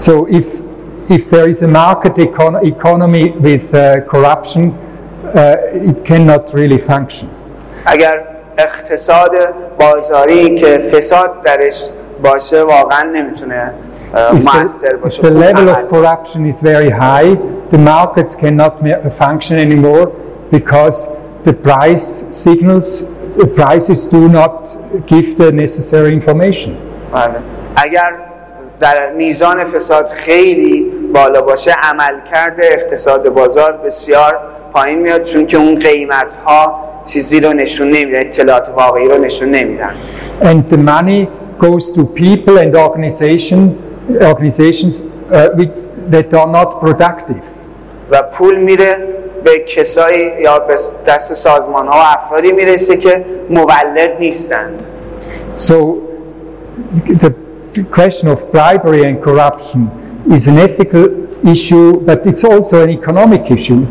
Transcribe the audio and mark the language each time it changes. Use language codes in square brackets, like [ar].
[en] So if there is a market economy with corruption, it cannot really function. [fa] اگر اقتصاد بازاری که فساد درش باشه واقعا نمیتونه مؤثر باشه. [en] If the level of corruption is very high, the markets cannot function anymore because the price signals, the prices do not give the necessary information. [fa] اگر در میزان فساد خیلی بالا باشه، عملکرد اقتصاد بازار بسیار پایین میاد، چون که اون قیمت ها چیزی رو نشون نمیده، اطلاعات واقعی رو نشون نمیدن. [en] And the money goes to people and organizations that are not productive. [fa] و پول میره به کسایی یا به دست سازمان ها و افرادی میرسه که مولد نیستند. [en] So the question of bribery and corruption is an ethical issue, but it's also an economic issue.